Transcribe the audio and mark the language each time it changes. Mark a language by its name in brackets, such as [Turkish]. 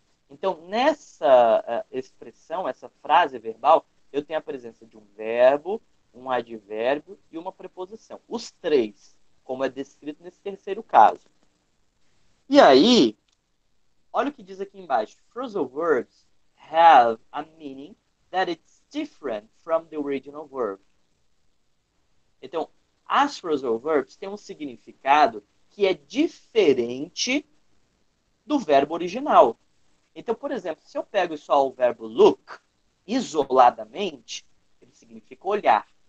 [Portuguese] Então, nessa expressão, essa frase verbal, eu tenho a presença de um verbo, um advérbio e uma preposição. Os três, como é descrito nesse terceiro caso. E aí, olha o que diz aqui embaixo. [English] Phrasal verbs have a meaning that it's different from the original verb. [Portuguese] Então, as phrasal verbs têm um significado que é diferente do verbo original. Então, por exemplo, se eu pego só o verbo look, isoladamente, ele significa olhar.